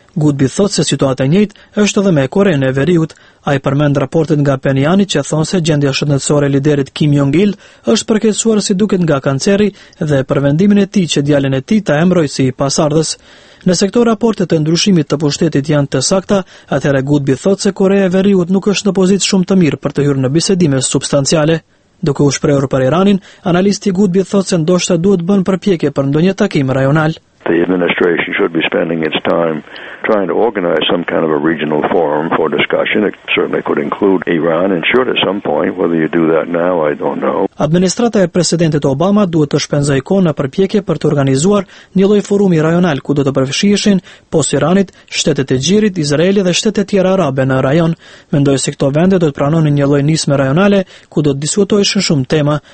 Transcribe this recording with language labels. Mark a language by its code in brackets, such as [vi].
[sq] Goodby thot se situata e njëjtë është edhe me Korenë e Veriut. Ai përmend raportet nga Pjenjani që thonë se gjendja shëndetësore e liderit Kim Jong-il është përkeqësuar si duket nga kanceri dhe për vendimin e tij që djalin e tij ta emërojë si pasardhës. Nëse këto raporte të ndryshimit të pushtetit janë të sakta, atëherë Goodby thot se Korea e Veriut nuk është në pozitë shumë të mirë për të hyrë në bisedime substanciale. Duke u shprehur për Iranin, analisti Goodby thot se ndoshta duhet bën përpjekje për ndonjë takim rajonal. [en] The administration should be spending its time trying to organize some kind of a regional forum for discussion. It certainly could include Iran, and should at some point, whether you do that now, I don't know. [sq] Administrata e presidentit Obama duhet të shpenzojë kohë në përpjekje për të organizuar një lloj forumi rajonal ku do të përfshiheshin pos Iranit, shtetet e Xhirit, Izraeli dhe shtetet tjera arabe në rajon. Mendoj se këto vende do të pranonin një lloj nisme rajonale ku do të diskutoheshin shumë tema.